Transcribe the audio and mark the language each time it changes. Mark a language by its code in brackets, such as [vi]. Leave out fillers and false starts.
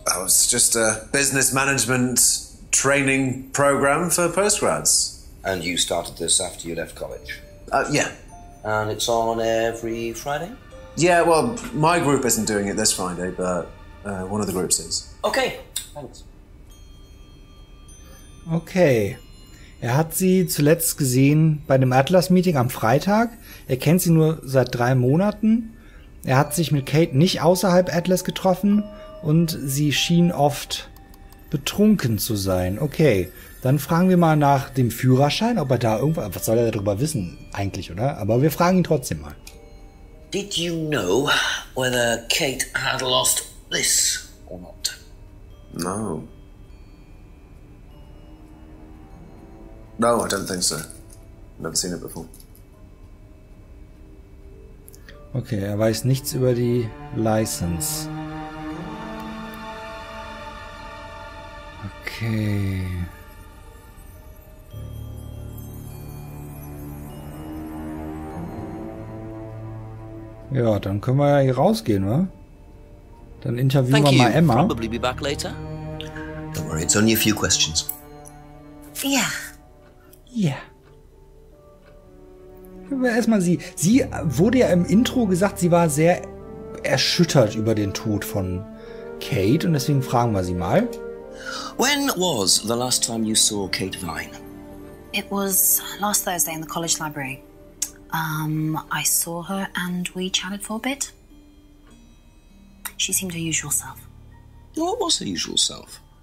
[en] Well, it's just a business management training program for postgrads. And you started this after you left college? Yeah. And it's on every Friday? Yeah, well, my group isn't doing it this Friday, but one of the groups is. Okay, thanks. [de] Okay, er hat sie zuletzt gesehen bei dem Atlas-Meeting am Freitag. Er kennt sie nur seit 3 Monaten. Er hat sich mit Kate nicht außerhalb Atlas getroffen und sie schien oft betrunken zu sein. Okay, dann fragen wir mal nach dem Führerschein, ob er da irgendwas... Was soll er darüber wissen eigentlich, oder? Aber wir fragen ihn trotzdem mal. [en] Did you know whether Kate had lost this or not? No. No, I don't think so. Never seen it before. [de] Okay, er weiß nichts über die License. Okay. Ja, dann können wir ja hier rausgehen, wa? Dann interviewen wir mal Emma. [en] Probably be back later. Don't worry, it's only a few questions. Yeah. Yeah. [de] Erstmal sie. Sie wurde ja im Intro gesagt, sie war sehr erschüttert über den Tod von Kate und deswegen fragen wir sie mal. [en] When was the last time you saw Kate Vine? It was last Thursday in the college library. I saw her and we chatted for a bit. She seemed her usual self. What was her usual self?